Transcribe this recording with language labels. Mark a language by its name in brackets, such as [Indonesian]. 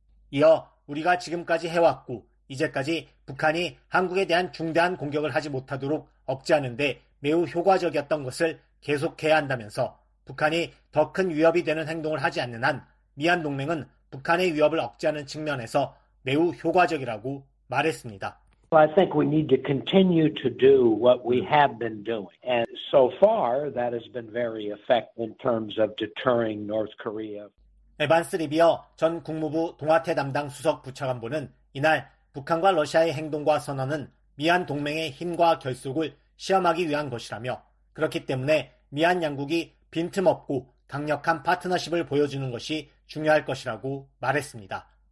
[Korean] 이어 우리가 지금까지 해왔고 이제까지 북한이 한국에 대한 중대한 공격을 하지 못하도록 억제하는 데 매우 효과적이었던 것을 계속해야 한다면서 북한이 더 큰 위협이 되는 행동을 하지 않는 한 미한동맹은 북한의 위협을 억제하는 측면에서 매우 효과적이라고 말했습니다. [English] I think we need to continue to do what we have been doing. And so far, that has been very effective in terms of deterring North Korea. [Korean] 에반스 리비어 전 국무부 동아태 담당 수석 부차관보는 이날 북한과 러시아의 행동과 선언은 미한 동맹의 힘과 결속을 시험하기 위한 것이라며 그렇기 때문에 미한 양국이 빈틈없고 강력한 파트너십을 보여주는 것이 중요할 것이라고 말했습니다.